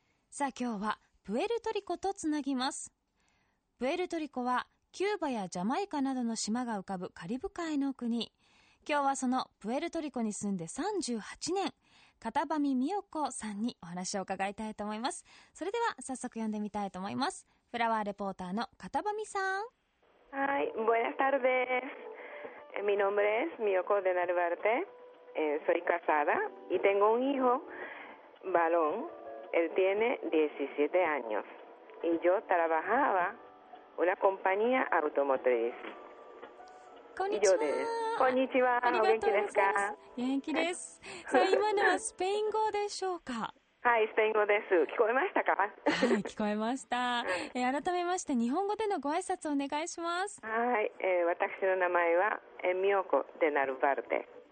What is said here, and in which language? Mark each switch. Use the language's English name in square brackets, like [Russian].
[Japanese] さあ今日はプエルトリコとつなぎます。プエルトリコはキューバやジャマイカなどの島が浮かぶカリブ海の国。今日はそのプエルトリコに住んで38年、片上美代子さんにお話を伺いたいと思います。それでは早速呼んでみたいと思います。フラワーレポーターの片上さん。 [Spanish] はい、buenas tardes. Mi nombre es Miyoko de Narvarte. Soy casada y tengo un hijo, varón. Él tiene 17 años. Y yo trabajaba una compañía automotriz. [Japanese] Konnichiwa. Konnichiwa. Genki desu ka? Genki desu. So, 今のはスペイン語でしょうか？はい、スペイン語です。聞こえましたか？はい、聞こえました。改めまして日本語でのご挨拶をお願いします。はい、私の名前はミオコデナルバルテ。